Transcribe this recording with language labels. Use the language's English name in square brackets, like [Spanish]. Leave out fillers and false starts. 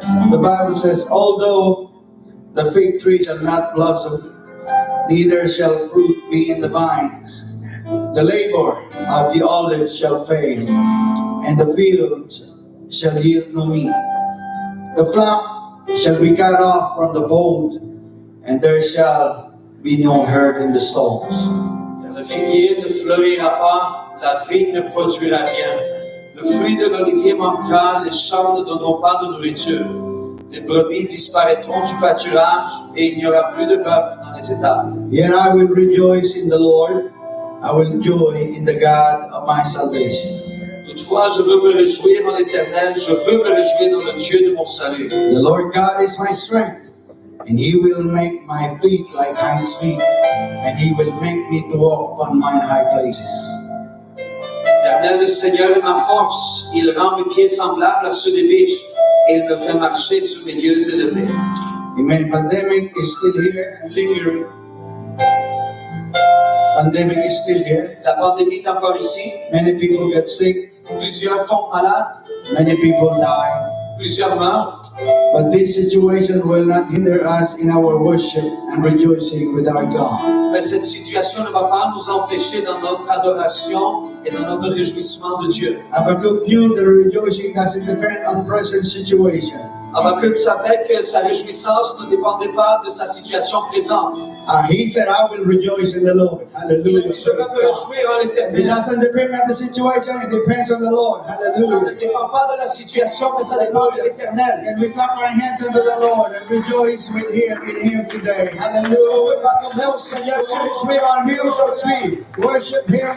[English] The Bible says, although the fig tree shall not blossom, neither shall fruit be in the vines, the labor of the olive shall fail, and the fields shall yield no meat. The flock shall be cut off from the fold, and there shall be no herd in the stalls. [French] Le figuier ne fleurira pas, la vigne ne produira rien. Le fruit de l'olivier manquera, les champs ne donneront pas de nourriture. Les brebis disparaîtront du pâturage, et il n'y aura plus de bœuf dans les étables. [English] Yet I will rejoice in the Lord, I will joy in the God of my salvation. [French] Toutefois, je veux me réjouir en l'Éternel, je veux me réjouir dans le Dieu de mon salut. [English] The Lord God is my strength, and he will make my feet like hinds' feet, and he will make me to walk upon mine high places. [French] L'Éternel, le Seigneur, est ma force. Il rend mes pieds semblables à ceux des biches, et il me fait marcher sur mes lieux élevés. [English] Amen. Pandemic is still here. Lingering. Pandemic is still here. [French] La pandémie est encore ici. [English] Many people get sick. [French] Plusieurs tombent malades. [English] Many people die. [French] Plusieurs meurent. [English] But this situation will not hinder us in our worship and rejoicing with our God. [French] Mais cette situation ne va pas nous empêcher dans notre adoration et dans notre réjouissement de Dieu. [English] Habakkuk knew the rejoicing doesn't depend on present situation. [French] Habakkuk savait que sa réjouissance ne dépendait pas de sa situation présente. [English] He said, I will rejoice in the Lord. Hallelujah. It doesn't depend on the situation, it depends on the Lord. Hallelujah. And we clap our hands unto the Lord and rejoice with him in him today. Hallelujah. Worship him.